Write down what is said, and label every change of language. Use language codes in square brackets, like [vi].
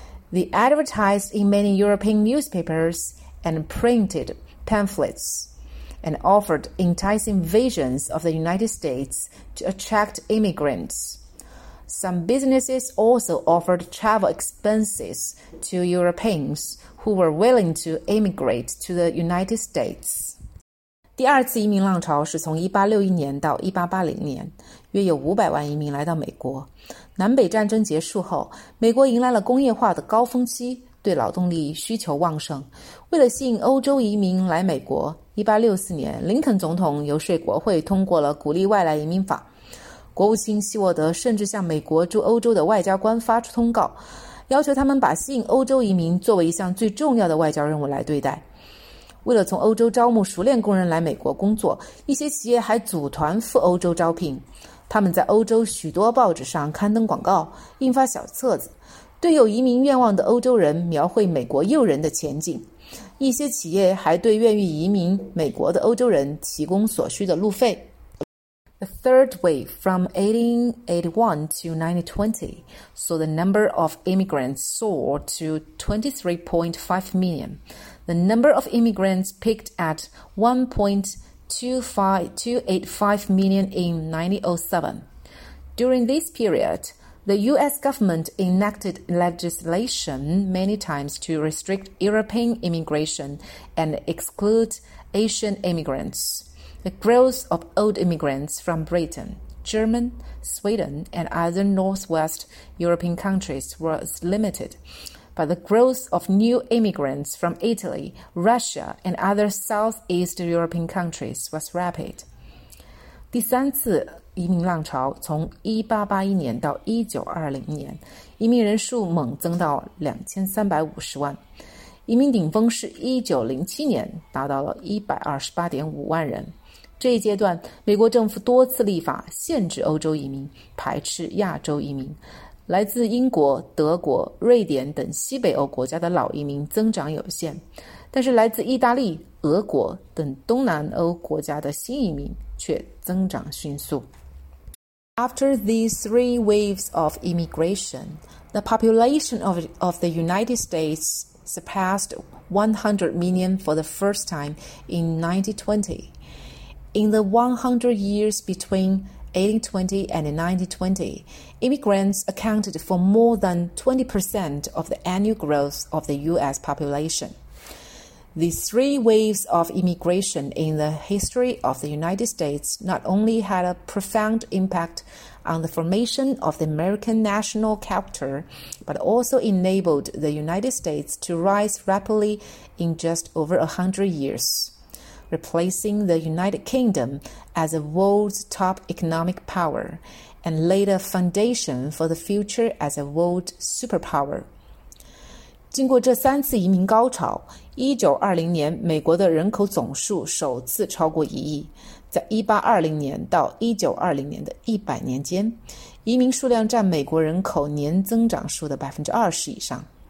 [en] They advertised in many European newspapers and printed pamphlets and offered enticing visions of the United States to attract immigrants. Some businesses also offered travel expenses to Europeans. who were willing to immigrate to the United States. [zh] 第二次移民浪潮是从1861年到1880年，约有500万移民来到美国。南北战争结束后，美国迎来了工业化的高峰期，对劳动力需求旺盛。为了吸引欧洲移民来美国，1864年，林肯总统游说国会通过了鼓励外来移民法。国务卿希沃德甚至向美国驻欧洲的外交官发出通告，要求他们把吸引欧洲移民作为一项最重要的外交任务来对待。为了从欧洲招募熟练工人来美国工作，一些企业还组团赴欧洲招聘。他们在欧洲许多报纸上刊登广告，印发小册子，对有移民愿望的欧洲人描绘美国诱人的前景。一些企业还对愿意移民美国的欧洲人提供所需的路费。 [en] The third wave from 1881 to 1920 saw the number of immigrants soar to 23.5 million. The number of immigrants peaked at 1.285 million in 1907. During this period, the U.S. government enacted legislation many times to restrict European immigration and exclude Asian immigrants. The growth of old immigrants from Britain, Germany, Sweden, and other Northwest European countries was limited, but the growth of new immigrants from Italy, Russia, and other Southeast European countries was rapid. [zh] 第三次移民浪潮从1881年到1920年，移民人数猛增到2350万。移民顶峰是1907年，达到了 128.5 万人。这一阶段，美国政府多次立法限制欧洲移民，排斥亚洲移民。来自英国、德国、瑞典等西北欧国家的老移民增长有限，但是来自意大利、俄国等东南欧国家的新移民却增长迅速。 [en] After these three waves of immigration, the population of the United States surpassed 100 million for the first time in 1920. In the 100 years between 1820 and 1920, immigrants accounted for more than 20% of the annual growth of the U.S. population. These three waves of immigration in the history of the United States not only had a profound impact on the formation of the American national character, but also enabled the United States to rise rapidly in just over 100 years, replacing the United Kingdom as the world's top economic power and laid a foundation for the future as a world superpower. [zh] 经过这三次移民高潮，1920年美国的人口总数首次超过一亿。在1820年到1920年的100年间，移民数量占美国人口年增长数的 20% 以上。